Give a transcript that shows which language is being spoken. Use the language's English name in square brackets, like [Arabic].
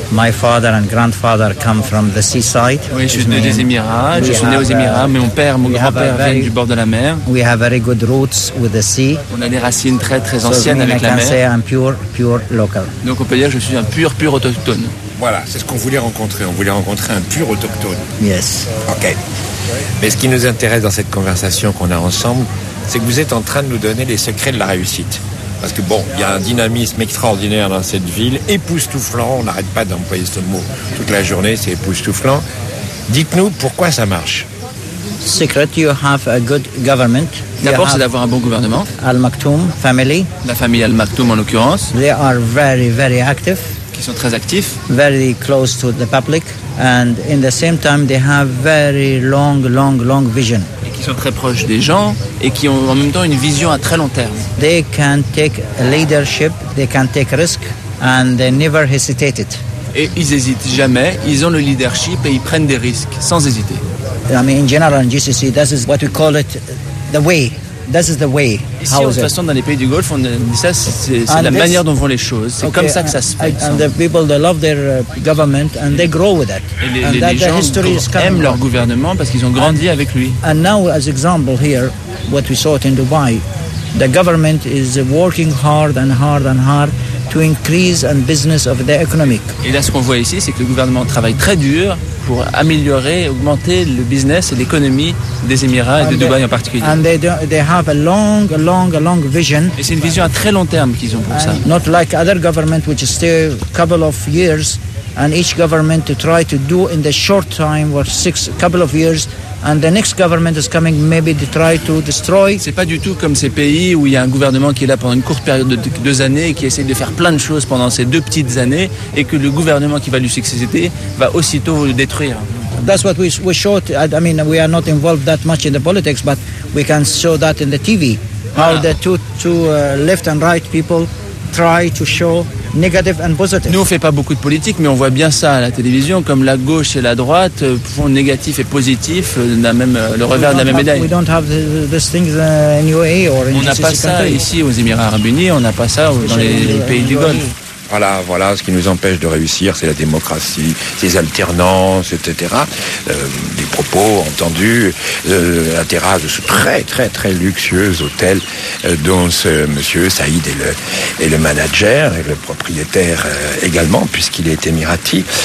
[English] My father and grandfather come from the seaside. [French] Oui, je suis né des Émirats. Je suis né aux Émirats, mais mon grand-père vient du bord de la mer. [English] We have very good roots with the sea. [French] On a des racines très très anciennes avec la mer. [English] So I can say I'm pure local. [French] Donc on peut dire que je suis un pur autochtone. Voilà, c'est ce qu'on voulait rencontrer. On voulait rencontrer un pur autochtone. [English] Yes. OK. [French] Mais ce qui nous intéresse dans cette conversation qu'on a ensemble, c'est que vous êtes en train de nous donner les secrets de la réussite. Parce que bon, il y a un dynamisme extraordinaire dans cette ville, époustouflant, on n'arrête pas d'employer ce mot toute la journée, c'est époustouflant. Dites-nous pourquoi ça marche. [English] Secret, you have a good government. [French] D'abord, c'est d'avoir un bon gouvernement. [English] Al Maktoum family. [French] La famille Al Maktoum en l'occurrence. [English] They are very, very active. [French] Qui sont très actifs. [English] Very close to the public. And in the same time, they have very long vision. [French] qui sont très proches des gens et qui ont en même temps une vision à très long terme. [English] They can take leadership, they can take risk, and they never hesitated. [French] Et ils hésitent jamais, ils ont le leadership et ils prennent des risques sans hésiter. [English] I mean, in general, in GCC, this is what we call it, the way. This is the way. [French] Ici, [English] how is it? [French] De toute façon, dans les pays du Golfe, on dit ça, c'est la manière dont vont les choses. C'est okay, comme ça que ça se fait. [English] And the people, they love their government and they grow with that. [French] Les gens aiment leur gouvernement parce qu'ils ont grandi avec lui. [English] And now, as example here, what we saw it in Dubai, the government is working hard and hard and hard to increase and business of the economic. [French] Et là, ce qu'on voit ici, c'est que le gouvernement travaille très dur pour améliorer, augmenter le business et l'économie des Émirats et de Dubaï en particulier. [English] And they have a long, long, long vision. [French] Et c'est une vision à très long terme qu'ils ont pour ça. [English] Not like other government which stay a couple of years, and each government to try to do in the short time or six couple of years. And the next government is coming, maybe to try to destroy. [French] C'est pas du tout comme ces pays où il y a un gouvernement qui est là pendant une courte période de 2 années et qui essaie de faire plein de choses pendant ces 2 petites années et que le gouvernement qui va lui succéder va aussitôt le détruire. [English] That's what we showed. I mean, we are not involved that much in the politics, but we can show that in the TV. How the two left and right people try to show negative and positive. [French] Nous, on ne fait pas beaucoup de politique, mais on voit bien ça à la télévision, comme la gauche et la droite font négatif et positif, le revers de la même médaille. [English] We don't have this thing in UAE or in [French] on n'a pas ça [English] country. [French] Ici aux Émirats Arabes Unis, on n'a pas ça dans les pays du Golfe. Voilà, ce qui nous empêche de réussir, c'est la démocratie, ces alternances, etc. Des propos entendus, la terrasse de ce très, très, très luxueux hôtel dont ce monsieur Saïd est le manager et le propriétaire également, puisqu'il est émirati.